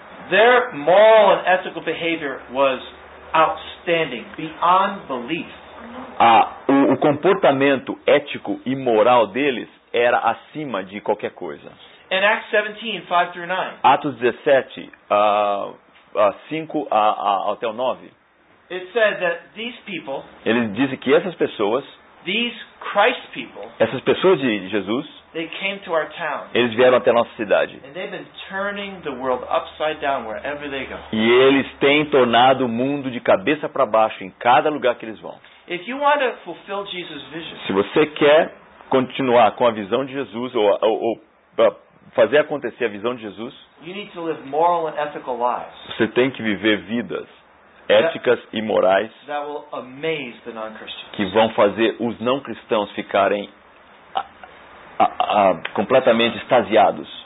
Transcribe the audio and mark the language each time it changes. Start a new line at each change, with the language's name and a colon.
English: Their moral and ethical behavior was outstanding, beyond belief.
Portuguese: O comportamento ético e moral deles era acima de qualquer coisa.
English: In Acts 17, 5 through 9.
Portuguese: Atos 17, 5 até o 9.
English: It said that these people,
Portuguese: ele diz que essas pessoas,
English: these Christ people,
Portuguese: essas pessoas de Jesus,
English: they came to our town,
Portuguese: eles vieram até a nossa cidade.
English: And they've been turning the world upside down wherever they go.
Portuguese: E eles têm tornado o mundo de cabeça para baixo em cada lugar que eles vão.
English: If you want to fulfill Jesus' vision,
Portuguese: se você quer continuar com a visão de Jesus ou fazer acontecer a visão de Jesus,
English: you need to live moral and ethical lives.
Portuguese: Você tem que viver vidas éticas e morais
English: that will amaze the non-Christians.
Portuguese: Que vão fazer os não cristãos ficarem completamente extasiados.